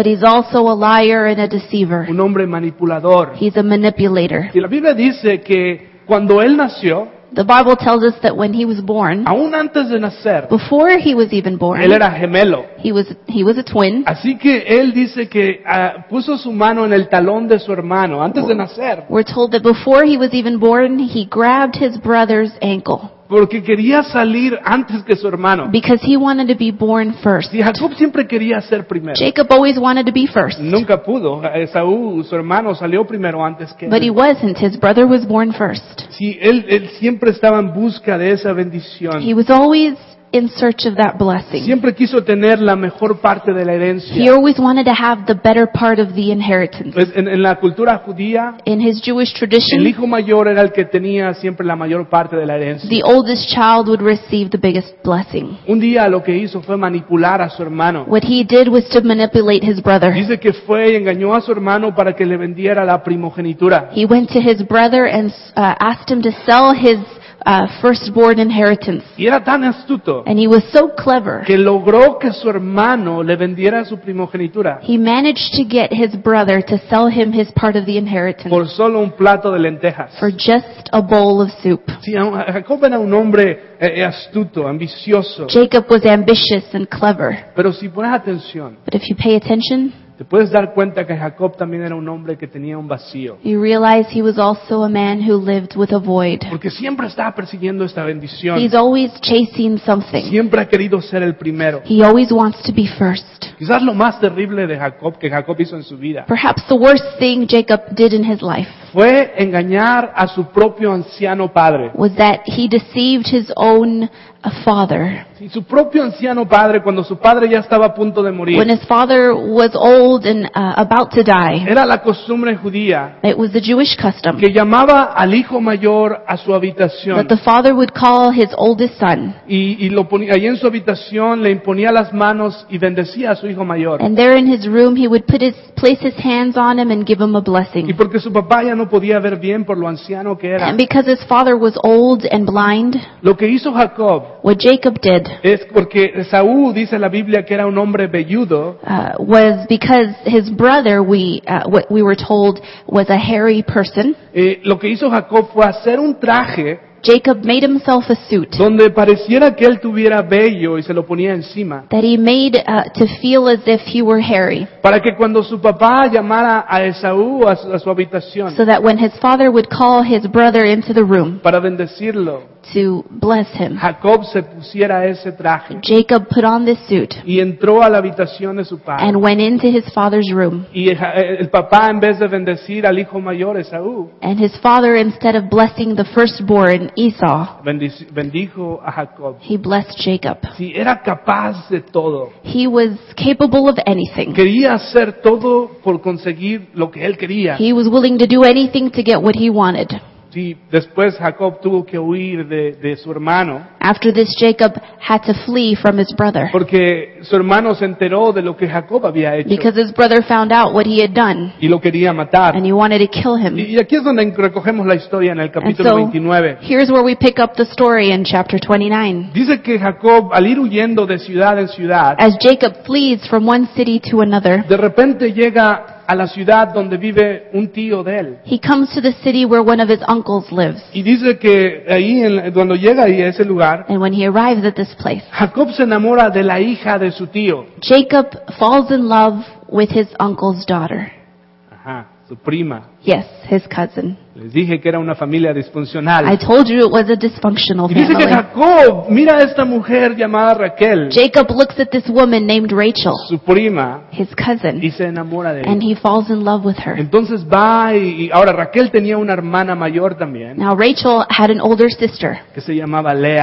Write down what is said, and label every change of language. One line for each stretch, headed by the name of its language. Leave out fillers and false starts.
English: But he's also a liar and a deceiver.
Spanish: Un hombre manipulador.
English: He's a manipulator.
Spanish: Y la Biblia dice que cuando él nació.
English: The Bible tells us that when he was born,
Spanish: aún antes de nacer,
English: before he was even born,
Spanish: él era gemelo.
English: He was a twin.
Spanish: Así que él dice que puso su mano en el talón de su hermano antes de nacer.
English: We're told that before he was even born, he grabbed his brother's ankle.
Spanish: Porque quería salir antes que su hermano.
English: Because he wanted to be born first.
Spanish: Y Jacob siempre quería ser primero.
English: Jacob always wanted to be first.
Spanish: Nunca pudo. Esaú, su hermano, salió primero antes que él.
English: But he wasn't. His brother was born first.
Spanish: Sí, él siempre estaba en busca de esa bendición.
English: He was always in search of that blessing.
Spanish: Siempre quiso tener la mejor parte de la herencia.
English: He always wanted to have the better part of the inheritance.
Spanish: En la cultura judía,
English: in his Jewish tradition,
Spanish: el hijo mayor era el que tenía siempre la mayor parte de la herencia.
English: The oldest child would receive the biggest blessing.
Spanish: Un día lo que hizo fue manipular a su hermano.
English: What he did was to manipulate his brother.
Spanish: Dice que fue y engañó a su hermano para que le vendiera la primogenitura.
English: He went to his brother and asked him to sell his firstborn inheritance.
Spanish: Y era tan astuto,
English: and he was so clever,
Spanish: que logró que su hermano le vendiera su primogenitura.
English: He managed to get his brother to sell him his part of the inheritance.
Spanish: Por solo un plato de lentejas.
English: For just a bowl of soup.
Spanish: Sí, Jacob era un hombre astuto, ambicioso.
English: Jacob was ambitious and clever.
Spanish: Pero si pones atención,
English: but if you pay attention,
Spanish: te puedes dar cuenta que Jacob también era un hombre que tenía un vacío.
English: You realize he was also a man who lived with a void.
Spanish: Porque siempre estaba persiguiendo esta bendición.
English: He's always chasing something.
Spanish: Siempre ha querido ser el primero.
English: He always wants to be first.
Spanish: Quizás lo más terrible de Jacob que Jacob hizo en su vida.
English: Perhaps the worst thing Jacob did in his life.
Spanish: Fue engañar a su propio anciano padre.
English: Was that he deceived his own father.
Spanish: Sí, su propio anciano padre, cuando su padre ya estaba a punto de morir.
English: When his father was old and about to die.
Spanish: Era la costumbre judía.
English: It was the Jewish custom.
Spanish: Que llamaba al hijo mayor a su habitación.
English: That the father would call his oldest son.
Spanish: Y lo ponía ahí en su habitación, le imponía las manos y bendecía a su hijo mayor.
English: And there in his room he would put his place his hands on him and give him a blessing.
Spanish: Y porque su papá ya no podía ver bien por lo anciano que era.
English: And because his father was old and blind.
Spanish: Lo que hizo Jacob.
English: What Jacob did.
Spanish: Es porque Saúl dice la Biblia que era un hombre velludo.
English: Was because his brother we were told was a hairy person.
Spanish: Lo que hizo Jacob fue hacer un traje.
English: Jacob made himself a suit.
Spanish: Donde pareciera que él tuviera vello y se lo ponía encima.
English: That he made to feel as if he were hairy.
Spanish: Para que cuando su papá llamara a Esaú a su habitación.
English: So that when his father would call his brother into the room.
Spanish: Para bendecirlo.
English: To bless him.
Spanish: Jacob se pusiera ese traje.
English: Jacob put on this suit.
Spanish: Y entró a la habitación de su padre.
English: And went into his father's room.
Spanish: Y el papá en vez de bendecir al hijo mayor Esaú.
English: And his father instead of blessing the firstborn Esau.
Spanish: Bendijo a Jacob.
English: He blessed Jacob.
Spanish: Sí, era capaz de todo.
English: He was capable of anything.
Spanish: Quería hacer todo por conseguir lo que él quería.
English: He was willing to do anything to get what he wanted.
Spanish: Sí, después Jacob tuvo que huir de su hermano.
English: After this, Jacob had to flee from his brother.
Spanish: Porque su hermano se enteró de lo que Jacob había hecho.
English: Because his brother found out what he had done.
Spanish: Y lo quería matar.
English: And he wanted to kill him.
Spanish: Y aquí es donde recogemos la historia en el capítulo
English: And so, here's where we pick up the story in chapter 29.
Spanish: Dice que Jacob, al ir huyendo de ciudad en ciudad,
English: as Jacob flees from one city to another,
Spanish: de repente llega a la ciudad donde vive un tío de él.
English: He comes to the city where one of his uncles lives.
Spanish: Y dice que ahí cuando llega ahí a ese lugar,
English: and when he arrives at this place,
Spanish: Jacob se enamora de la hija de su tío.
English: Jacob falls in love with his uncle's daughter.
Spanish: Ajá, su prima.
English: Yes, his cousin.
Spanish: Les dije que era una familia disfuncional.
English: I told you it was a dysfunctional family.
Spanish: Y dice que Jacob mira a esta mujer llamada Raquel.
English: Jacob looks at this woman named Rachel.
Spanish: Su prima.
English: His cousin.
Spanish: Y se enamora de ella.
English: And he falls in love with her.
Spanish: Entonces va y ahora Raquel tenía una hermana mayor también.
English: Now Rachel had an older sister.
Spanish: Que se llamaba Lea.